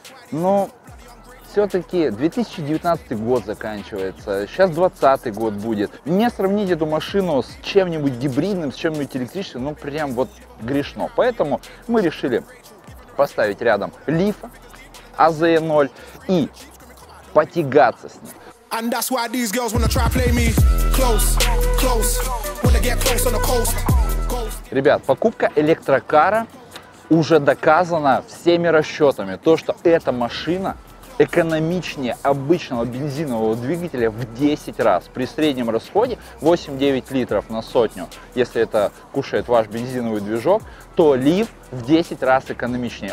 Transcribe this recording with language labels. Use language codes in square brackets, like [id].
[ru] Ну, все-таки 2019 год заканчивается, сейчас 2020 год будет. Не сравнить эту машину с чем-нибудь гибридным, с чем-нибудь электрическим, ну прям вот грешно. Поэтому мы решили поставить рядом Leaf AZ0 и потягаться с ним. [en] And that's why these girls wanna try play me close, close, wanna get close on the coast, coast. [ru] Ребят, покупка электрокара уже доказана всеми расчетами. То, что эта машина экономичнее обычного бензинового двигателя в 10 раз. При среднем расходе 8-9 литров на сотню, если это кушает ваш бензиновый движок, то Leaf в 10 раз экономичнее.